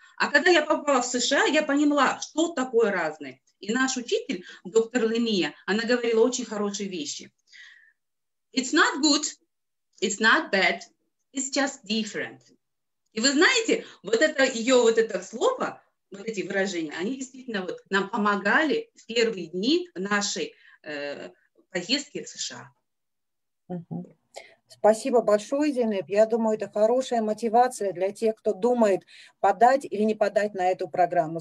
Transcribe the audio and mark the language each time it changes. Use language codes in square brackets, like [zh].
[ru] А когда я попала в США, я поняла, что такое разное. И наш учитель, доктор Ления, она говорила очень хорошие вещи. [en] It's not good, it's not bad, it's just different. [ru] И вы знаете, вот это ее вот это слово, вот эти выражения, они действительно вот нам помогали в первые дни нашей поездки в США. Спасибо большое, Зинаида. Я думаю, это хорошая мотивация для тех, кто думает, подать или не подать на эту программу.